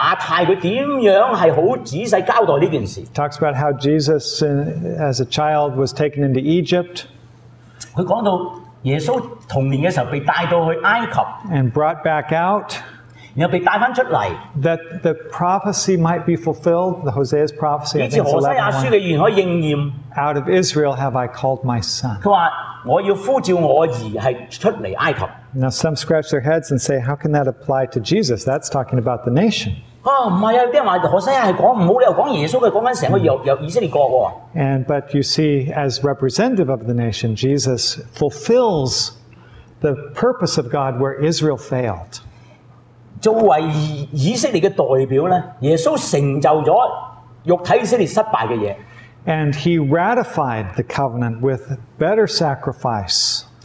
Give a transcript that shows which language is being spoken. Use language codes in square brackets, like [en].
[zh] 我們其實可以花時間去看看馬太他怎樣是很仔細交代這件事。 [en] Talks about how Jesus as a child was taken into Egypt. [zh] 他講到耶穌童年的時候被帶到去埃及, [en] and brought back out. [zh] 然後被帶出來, [en] that the prophecy might be fulfilled, the Hosea's prophecy, I think it's 11:1, out of Israel have I called my son. [zh] 他說, [en] now some scratch their heads and say, how can that apply to Jesus? That's talking about the nation. [zh] 啊,不是啊,有些人說, [en] and but you see, as representative of the nation, Jesus fulfills the purpose of God where Israel failed. [zh] 作為以色列的代表呢,耶穌成就了肉體以色列失敗的事。 [en] And he ratified the covenant with better sacrifice.